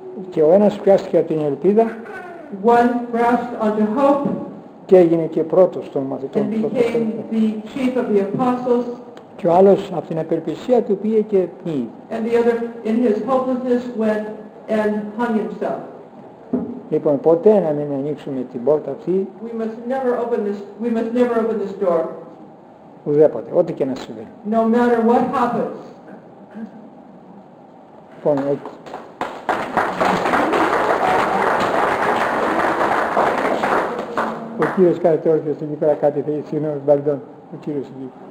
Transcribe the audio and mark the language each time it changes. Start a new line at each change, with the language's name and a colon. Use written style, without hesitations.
Greek: Και ο ένας πιάστηκε την ελπίδα.
English: One grasped onto hope.
Greek: Και έγινε και πρώτος των μαθητών.
English: And became the chief of the apostles.
Greek: Και ο άλλος από την απελπισία του πήγε και πνίγει.
English: And the other, in his hopelessness, went and hung himself.
Greek: Λοιπόν, ποτέ να μην ανοίξουμε την πόρτα αυτή.
English: We must never open this door.
Greek: Ουδέποτε, ό,τι και να συμβαίνει.
English: No matter what happens.
Greek: Λοιπόν, ο κύριος κάθεται όρθιος εκεί πέρα κάτι θέλει, συγγνώμη, μπαλντών, ο κύριος εκεί.